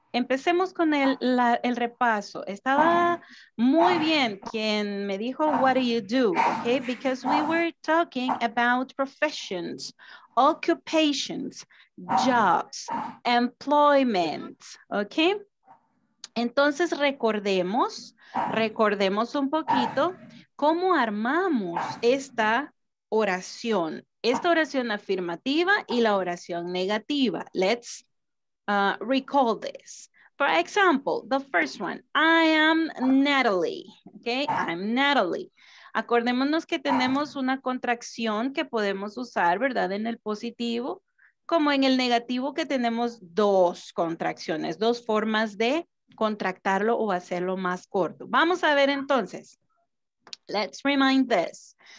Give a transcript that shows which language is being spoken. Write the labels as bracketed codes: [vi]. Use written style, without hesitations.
[es] Empecemos con el repaso. Estaba muy bien quien me dijo, [en] what do you do? Okay, because we were talking about professions, occupations, jobs, employment, okay? [es] Entonces recordemos un poquito cómo armamos esta oración. Esta oración afirmativa y la oración negativa. [en] Let's recall this. For example, the first one, I am Natalie, okay? I'm Natalie. [es] Acordémonos que tenemos una contracción que podemos usar, ¿verdad? En el positivo, como en el negativo que tenemos dos contracciones, dos formas de contractarlo o hacerlo más corto. Vamos a ver entonces. [en] Let's remind this.